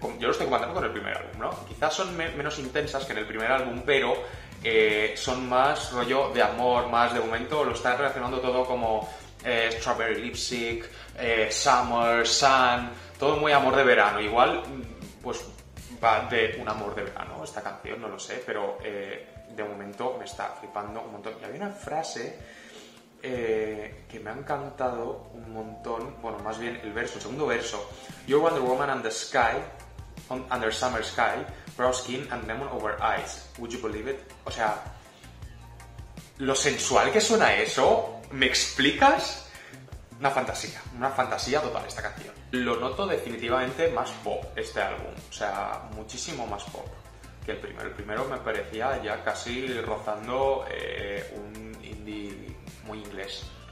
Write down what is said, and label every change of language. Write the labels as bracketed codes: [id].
[es] Yo lo estoy comparando con el primer álbum, ¿no? Quizás son menos intensas que en el primer álbum, pero son más rollo de amor, más de momento lo están relacionando todo como Strawberry Lipstick, Summer, Sun, todo muy amor de verano. Igual, pues, va de un amor de verano esta canción, no lo sé, pero de momento me está flipando un montón. Y había una frase... que me ha encantado un montón, bueno, más bien el verso, el segundo verso. [en] You're Wonder Woman under sky, under summer sky, brown skin and lemon over eyes. Would you believe it? [es] O sea, lo sensual que suena eso, ¿me explicas? Una fantasía total esta canción. Lo noto definitivamente más pop este álbum, o sea, muchísimo más pop que el primero. El primero me parecía ya casi rozando un indie... muy inglés.